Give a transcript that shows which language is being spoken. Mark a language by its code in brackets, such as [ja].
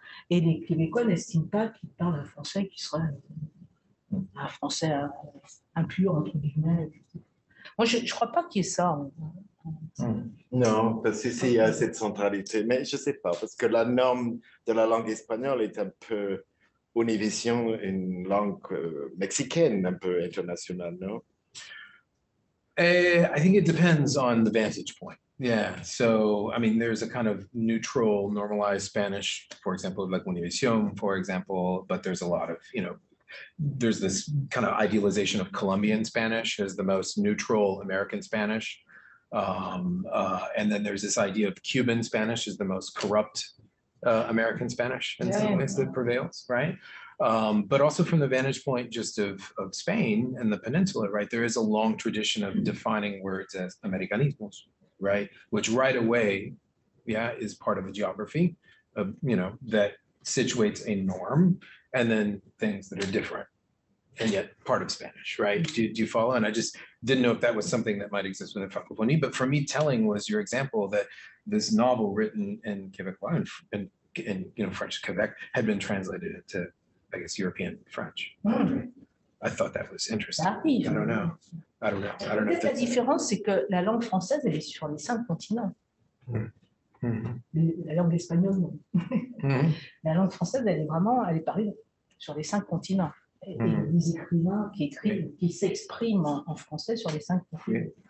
[fr] Et les Québécois n'estiment pas qu'ils parlent un français qui serait un français impur, entre guillemets. Moi, je ne crois pas qu'il y ait ça. Non, parce que s'il y a cette centralité, mais je ne sais pas, parce que la norme de la langue espagnole est un peu une vision, une langue mexicaine, un peu internationale, non? [en] I think it depends on the vantage point. Yeah. So, I mean, there's a kind of neutral, normalized Spanish, for example, like Univision, for example, but there's a lot of, you know, there's this kind of idealization of Colombian Spanish as the most neutral American Spanish. And then there's this idea of Cuban Spanish as the most corrupt American Spanish in some ways that prevails, right? But also from the vantage point just of Spain and the peninsula, right, there is a long tradition of defining words as Americanismos, right, which right away, yeah, is part of a geography of, you know, that situates a norm and then things that are different and yet part of Spanish, right? Do you follow? And I just didn't know if that was something that might exist within Francophonie, but for me, telling was your example that this novel written in Quebecois and you know, French Quebec had been translated into, I guess, European French. I thought that was interesting. [fr] Ah, oui. [en] I don't know. [fr] La différence, c'est que la langue française, elle est sur les cinq continents. La langue espagnole, non. La langue française, elle est parlée sur les cinq continents. Et les écrivains qui écrivent, qui s'expriment en français sur les cinq continents.